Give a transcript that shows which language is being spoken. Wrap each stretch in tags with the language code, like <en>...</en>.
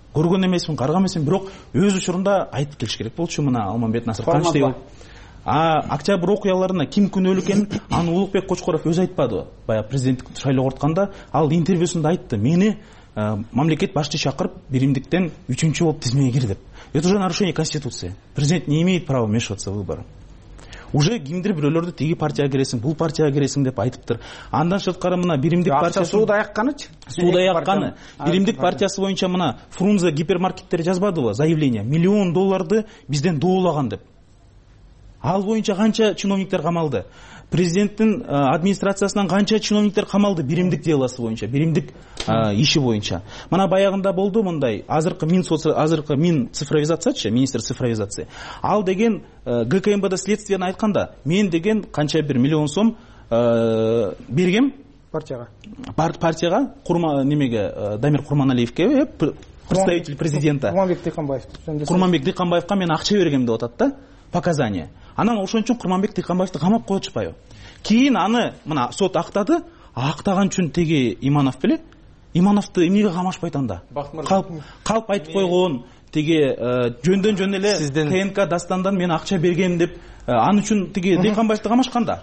<ky>көргөн эмесмин, карга эмесмин, бирок өз учурунда айтып келиш керек болчу мына Алмамбет Насыркаевич деп. А октябрь окуяларына ким күнөөлүү экенин аны Улукбек Кочкоров өзү айтпадыбы? Бая президенттик шайлоо кортканда ал интервьюсунда айтты. Мени мамлекет башчы чакырып, биримдиктен үчүнчү болуп тизмеге кир деп.</ky> <ru>Это же нарушение конституции. Президент не имеет права вмешиваться в выборы.</ru> <ky>Уже кимдир бирөөлөрдү тиги партияга киресиң, бул партияга киресиң деп айтыптыр. Андан сырткары мына биримдик партия сууда аякканычы? Сууда аякканы. Биримдик партиясы боюнча мына Фрунзе гипермаркеттери жазбадыбы заявление? Миллион долларды бизден доолаган деп. Ал боюнча канча чиновниктер камалды? Президенттин администрациясынан канча чиновниктер камалды биримдик деласы боюнча, биримдик иши боюнча. Мына баягында болду мындай, азыркы мин цифровизациячы,</ky> <ru>министр цифровизации.</ru> <ky>Ал деген ГКМБда следствиянын айтканда, мен деген канча бир миллион сом бергем партияга. Партияга Дамир Курманалиевке</ky> <ru>представитель президента.</ru> <ky>Курманбек Дыйканбаев. Курманбек Дыйканбаевка мен акча бергем деп атат да, показания. Анан ошон үчүн Курманбек Дыйканбаевди камап коюшпайбы. Кийин аны мына сот актады, актаган үчүн теги Иманов беле? Имановду эмнеге камашпайт анда? Калп айтып койгон теги жөндөн жөн эле КНК дастандан мен акча бергем деп аны үчүн теги Дыйканбаевди камашканда.</ky>